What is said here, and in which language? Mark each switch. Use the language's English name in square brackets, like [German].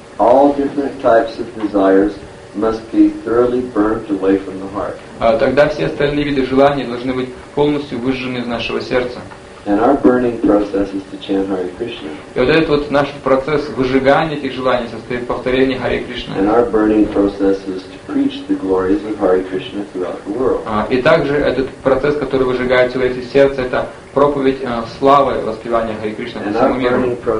[English] all different types of desires must be thoroughly burnt away from the heart. [Russian] Тогда все остальные виды желаний должны быть полностью выжжены из нашего сердца. [English] And our burning process is to chant Hare Krishna. [Russian] И вот этот вот наш процесс выжигания этих желаний состоит в повторении Hare Krishna. [English] And our burning process is to preach the glories of Hare Krishna throughout the world. [Russian] И также этот процесс, который выжигается в эти сердца, это проповедь славы, воспевания Харе Кришны по всему миру.